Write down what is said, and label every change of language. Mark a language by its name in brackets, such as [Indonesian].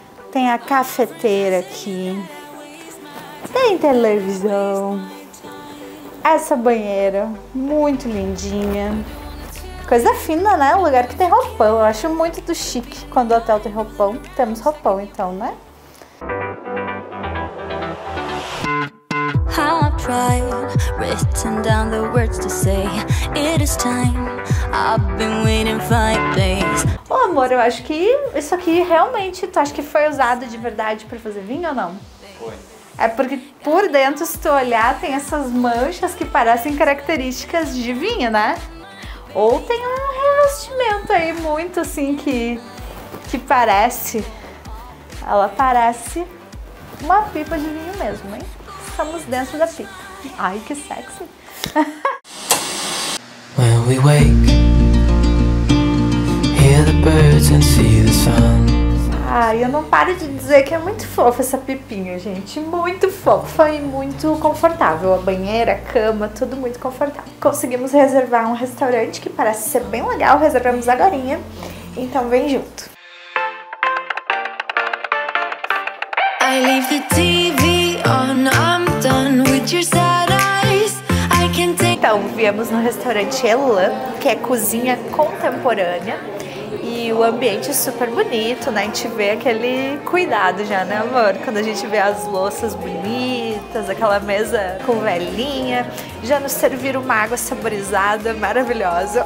[Portuguese] Tem a cafeteira aqui. Tem televisão. Essa banheira, muito lindinha. Coisa fina, né? Um lugar que tem roupão. Eu acho muito do chique quando o hotel tem roupão. Temos roupão, então, né? [English] How I try, written down the words to say. It is time, I've been waiting 5 days. [Portuguese] Ô, amor, eu acho que isso aqui realmente, tu acha que foi usado de verdade pra fazer vinho ou não? Foi. É porque por dentro, se tu olhar, tem essas manchas que parecem características de vinho, né? Ou tem um revestimento aí muito assim que parece. Ela parece uma pipa de vinho mesmo, hein? Estamos dentro da pipa. Ai, que sexy. [English] When we wake, hear the birds and see the sun. [Portuguese] Ai, eu não paro de dizer que é muito fofa essa pipinha, gente. Muito fofa e muito confortável. A banheira, a cama, tudo muito confortável. Conseguimos reservar um restaurante que parece ser bem legal. Reservamos agorinha. Então vem junto. [English] I leave the TV on, I'm done with your sad eyes. I can take. [Portuguese] Então, viemos no restaurante Elan, que é cozinha contemporânea. E o ambiente é super bonito, né? A gente vê aquele cuidado já, né, amor? Quando a gente vê as louças bonitas, aquela mesa com velinha. Já nos serviram uma água saborizada, maravilhosa.